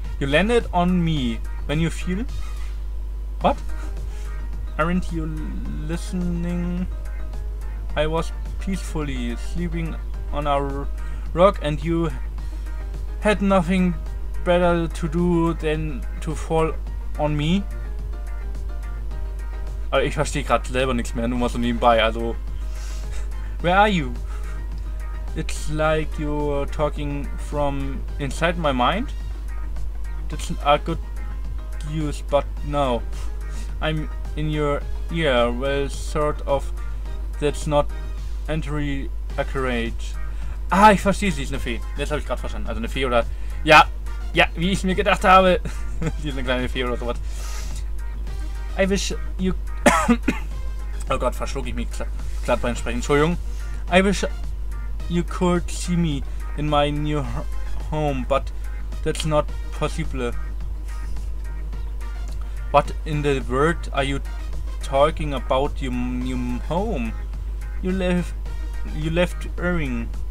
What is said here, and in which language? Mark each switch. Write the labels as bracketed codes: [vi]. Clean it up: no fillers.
[en] You landed on me. When you feel? What? Aren't you listening? I was peacefully sleeping on a rock and you had nothing better to do than to fall on me? [de] Also ich verstehe gerade selber nichts mehr, nur mal so nebenbei, also. [en] Where are you? It's like you're talking from inside my mind. That's a good use, but no. I'm in your ear, well, sort of. That's not Entry Accurate. [de] Ah, ich verstehe, sie ist eine Fee. Jetzt habe ich gerade verstanden. Also eine Fee oder... Ja, ja, wie ich mir gedacht habe. Sie ist eine kleine Fee oder sowas. [en] I wish you... [de] Oh Gott, verschlug ich mich glatt beim Sprechen. Entschuldigung. [en] I wish you could see me in my new home, but that's not possible. What in the world are you talking about your new home? You left Erring.